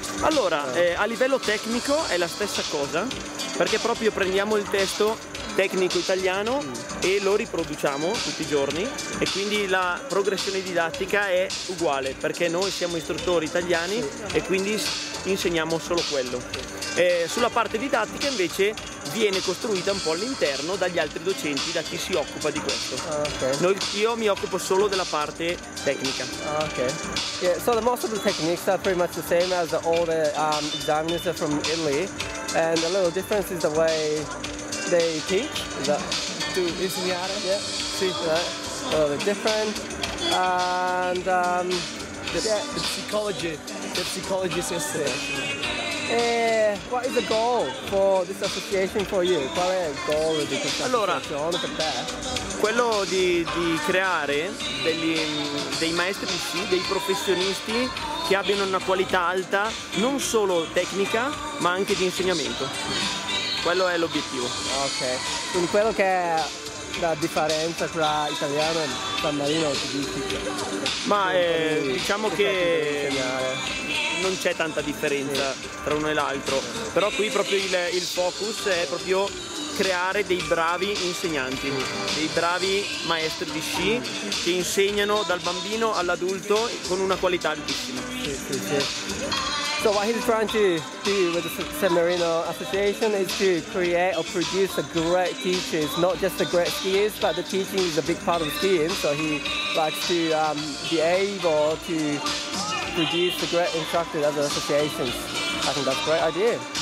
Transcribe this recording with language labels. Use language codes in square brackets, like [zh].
[it] Allora, a livello tecnico è la stessa cosa, perché proprio prendiamo il testo tecnico italiano e lo riproduciamo tutti i giorni e quindi la progressione didattica è uguale, perché noi siamo istruttori italiani e quindi insegniamo solo quello. Sulla parte didattica invece viene costruita un po' all'interno dagli altri docenti, da chi si occupa di questo. Io mi occupo solo della parte tecnica. [en] Okay. Yeah, so the most of the techniques are pretty much the same as all the examiners are from Italy, and a little difference is the way they teach, a little bit different, and the psychology system. What is the goal for this association for you? [it] Qual è il goal di questa associazione per te? Quello di creare dei maestri di sci, dei professionisti che abbiano una qualità alta, non solo tecnica, ma anche di insegnamento. Quello è l'obiettivo. Ok, quindi quello che è la differenza tra italiano e San Marino, ti dici? Ma diciamo che non c'è tanta differenza tra uno e l'altro, però qui proprio il focus è proprio creare dei bravi insegnanti, dei bravi maestri di sci che insegnano dal bambino all'adulto con una qualità altissima. [en] So what he's trying to do with the San Marino Association is to create or produce a great teachers, not just the great skiers, but the teaching is a big part of skiing, so he likes to be able to produce the great instructors of the associations. I think that's a great idea.